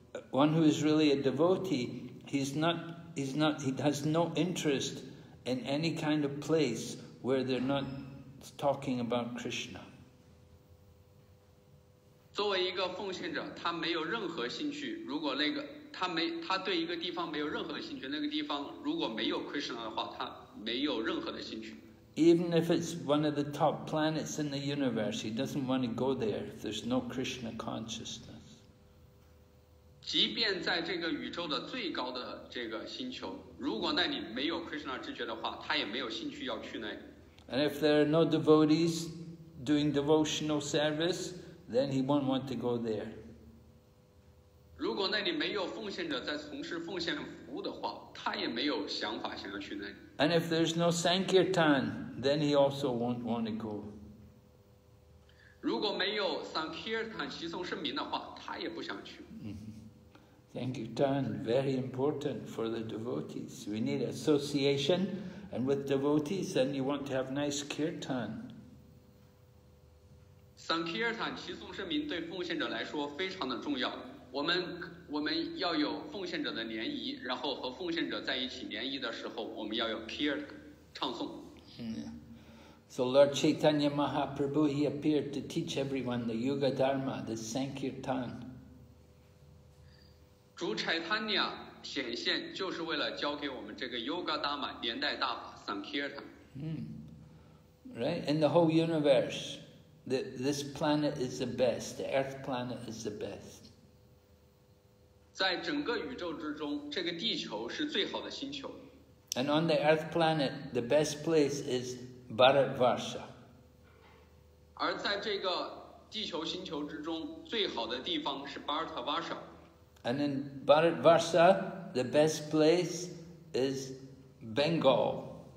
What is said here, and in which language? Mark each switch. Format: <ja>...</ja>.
<en>One who is really a devotee, he has no interest in any kind of place where they're not talking about Krishna.</en> <zh>作为一个奉献者，他没有任何兴趣。如果那个他对一个地方没有任何的兴趣，那个地方如果没有 Krishna 的话，他没有任何的兴趣。</zh> <en>Even if it's one of the top planets in the universe, he doesn't want to go there if there's no Krishna consciousness.</en> <zh>即便在这个宇宙的最高的这个星球，如果那里没有 Krishna 知觉的话，他也没有兴趣要去那里。</zh> <en>And if there are no devotees doing devotional service, then he won't want to go there.</en> <zh>如果那里没有奉献者在从事奉献服务的话，他也没有想法想要去那里。</zh> <en>And if there's no Sankirtan, then he also won't want to go.</en> <zh>如果没有 Sankirtan 齐颂圣名的话，他也不想去。</zh> <en>Sankirtan, very important for the devotees. We need association, and with devotees, then you want to have nice kirtan.</en> <zh>Sankirtan, 齐颂圣名对奉献者来说非常的重要。我们要有奉献者的联谊，然后和奉献者在一起联谊的时候，我们要有 kirtan, 唱诵。</zh> <en>So Lord Chaitanya Mahaprabhu, he appeared to teach everyone the Yuga Dharma, the Sankirtan.</en> <zh>主柴塔尼亚显现就是为了教给我们这个 Yoga Dharma 连带大法 Sankirtan、</zh> <en>right? In the whole universe, this planet is the best. The Earth planet is the best.</en> <zh>在整个宇宙之中，这个地球是最好的星球。</zh> <en>And on the Earth planet, the best place is Bharatvarsha.</en> <zh>而在这个地球星球之中，最好的地方是 Bharatvarsha.</zh> <en>And in Bharatvarsha, the best place is Bengal.</en>